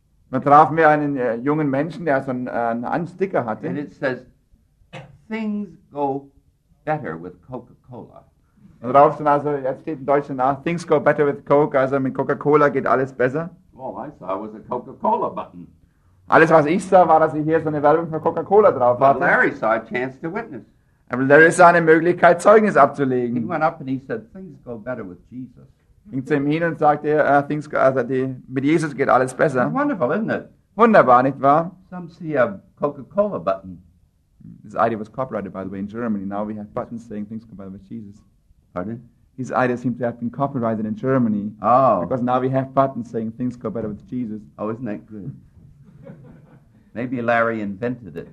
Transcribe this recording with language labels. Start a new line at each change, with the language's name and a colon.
German: Da trafen wir einen jungen Menschen, der so einen Sticker hatte.
English: And it says, things go better with Coca-Cola.
German: Und drauf stand also, jetzt steht in Deutschland nach,
English: things go better with Coke,
German: also mit Coca-Cola geht alles besser.
English: All I saw was a Coca-Cola button.
German: Alles, was ich sah, war, dass ich hier so eine Werbung für Coca-Cola drauf hatte.
English: But Larry saw a chance to witness.
German: And Larry sah eine Möglichkeit, Zeugnis abzulegen.
English: He went up and he said, things go better with Jesus.
German: Ging zu ihm hin und sagte, mit Jesus geht alles besser.
English: It's wonderful, isn't it?
German: Wunderbar, nicht wahr?
English: Some see a Coca-Cola button. This idea was copyrighted, by the way, in Germany. Now we have buttons saying things by the way, Jesus. Pardon? His idea seems to have been copyrighted in Germany. Oh. Because now we have buttons saying things go better with Jesus. Oh, isn't that good? Maybe Larry invented it.